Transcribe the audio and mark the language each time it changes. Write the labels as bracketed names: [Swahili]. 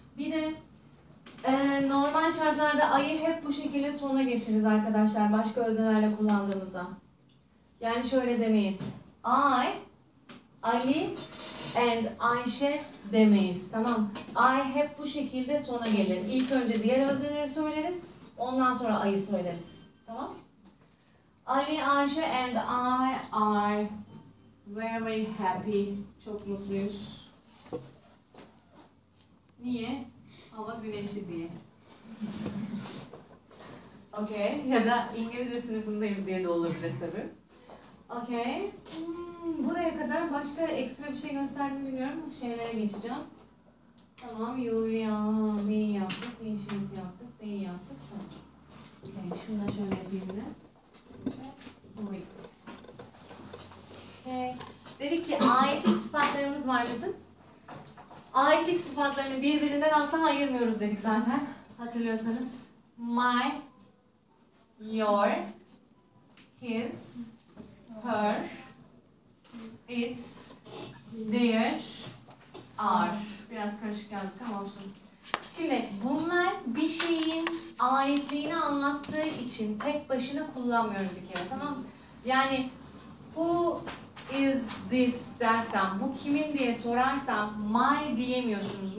[Turkish] Bir de normal şartlarda I'ı hep bu şekilde sona getiririz arkadaşlar başka öznelerle kullandığımızda. Yani şöyle demeyiz. [English] I, Ali and Ayşe [Turkish] demeyiz, tamam. I hep bu şekilde sona gelir. İlk önce diğer özneleri söyleriz, ondan sonra I'ı söyleriz, tamam. [English] Ali, Ayşe and I are very happy. [Turkish] Çok mutluyuz. Niye? Hava güneşli diye. Okay, ya da İngilizce sınıfındayız diye de olabilir tabii. Okay. Buraya kadar başka ekstra bir şey gösterdim bilmiyorum. Şeylere geçeceğim. Tamam. Neyi yaptık? Okay. Şunu da şöyle birine. Okay. Dedik ki aitlik sıfatlarımız var dedim. Aitlik sıfatlarını birbirinden asla ayırmıyoruz dedik zaten. Hatırlıyorsanız. [English] My, your, his, her, its, their, our. [Turkish] Biraz karışık geldik ama olsun. Şimdi bunlar bir şeyin aitliğini anlattığı için tek başına kullanmıyoruz bir kere, tamam mı? Yani [English] who is this [Turkish] dersem, bu kimin diye sorarsam my diyemiyorsunuz.